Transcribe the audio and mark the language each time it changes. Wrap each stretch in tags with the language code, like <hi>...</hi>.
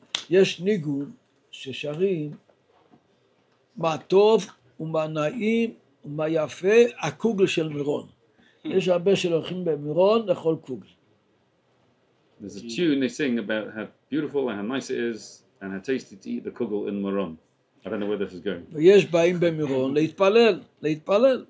<he>יש ניגון ששרים מה טוב ומה נעים ומה יפה הקוגל של מירון. יש הרבה שלוחים במירון לאכול קוגל.</he> <en>There's a tune they sing about how beautiful and how nice it is and how tasty to eat the kugel in Meron. I don't know where this is going.</en> <he>ויש באים במירון להתפלל, להתפלל.</he>